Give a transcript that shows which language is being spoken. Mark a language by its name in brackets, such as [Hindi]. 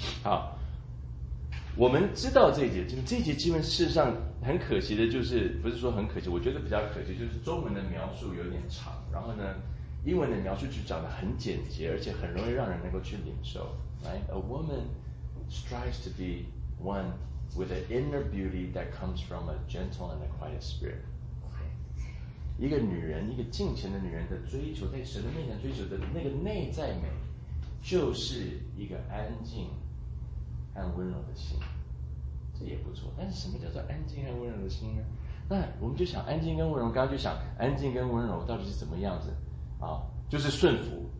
[Chinese] 好，我们知道这一节，这一节基本事实上很可惜的，就是不是说很可惜，我觉得比较可惜，就是中文的描述有点长，然后呢，英文的描述就讲得很简洁，而且很容易让人能够去领受。 [English] Right? A woman strives to be one with an inner beauty that comes from a gentle and a quiet spirit. [Chinese] 一个女人，一个敬虔的女人的追求，在神的面前追求的那个内在美，就是一个安静和温柔的心。这也不错，但是什么叫做安静和温柔的心呢？那我们就想安静跟温柔，刚刚就想安静跟温柔到底是怎么样子啊？就是顺服，